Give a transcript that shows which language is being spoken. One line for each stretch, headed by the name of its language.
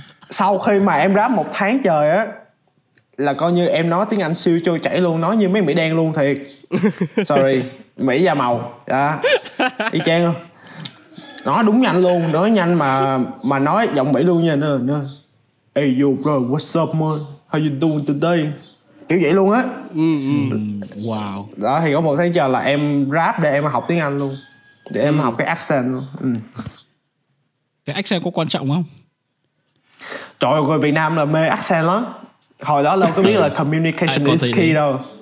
Vietnamese: Sau khi mà em rap một tháng trời á, là coi như em nói tiếng Anh siêu trôi chảy luôn, nói như mấy Mỹ đen luôn thiệt. Sorry, Mỹ da màu, đó, y chang luôn. Nói đúng nhanh luôn, nói nhanh mà nói giọng Mỹ luôn nha.
English: Hey yo bro, what's up man, how you doing today?
Vietnamese: Kiểu vậy luôn á. Wow. Đó thì có một tháng trời là em rap để em học tiếng Anh luôn. Để em học cái accent luôn. Cái accent có quan trọng không? Trời ơi, người Việt Nam là mê accent lắm. Hồi đó lâu có biết là
English: communication is key
Vietnamese: đâu.